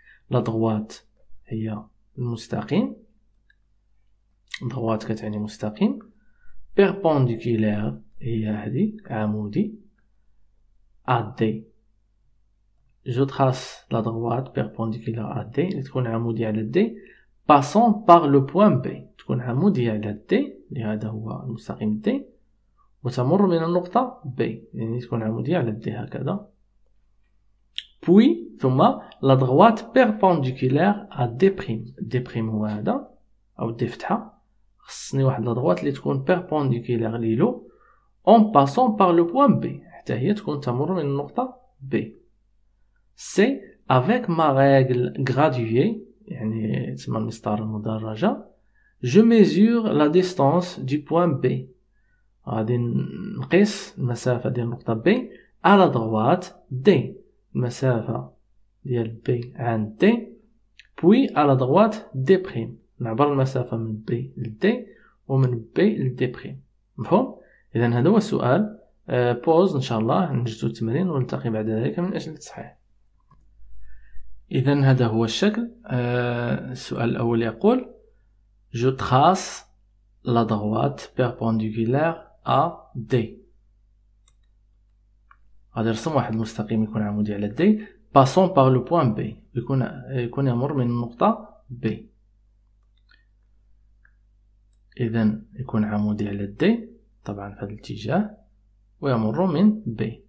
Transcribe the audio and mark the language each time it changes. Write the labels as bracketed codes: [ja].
[ar] لا دغوات هي المستقيم، دغوات كتعني مستقيم، بيربونديكولير هي هادي عمودي، ا دي جو تراس لا دغوات بيربونديكولير ا دي تكون عمودي على الدي. [fr] passant par le point B [ar] تكون عمودي على D، لهذا هو المستقيم D، وتمر من النقطة B يعني تكون عمودي على D هكذا. [fr] puis ثم la droite perpendiculaire à D prime. [ar] D prime هو هذا أو D فتحة، خصني واحد la droite اللي تكون perpendiculaire ليلو [fr] en passant par le point B. [ar] حتى هي تكون تمر من النقطة B. [fr] C avec ma règle graduée, [ar] يعني تسمى المسطرة المدرجة, [fr] je mesure la distance du point B. [ar] غادي نقيس المسافة ديال النقطة B [fr] à la droite D. [ar] المسافة ديال B عند D. [fr] Puis à la droite D'. [ar] نعبر المسافة من B لD ومن B لD'. مفهوم؟ إذن هذا هو السؤال. بوز إن شاء الله نجدو التمرين ونلتقي بعد ذلك من أجل التصحيح. إذن هذا هو الشكل. السؤال الأول يقول [fr] Je trace la droite perpendiculaire à D. [ar] غادي نرسم واحد المستقيم يكون عمودي على D [fr] passant par le point B. [ar] يكون يمر من النقطة B. إذن يكون عمودي على D طبعا في هذا الاتجاه ويمر من B.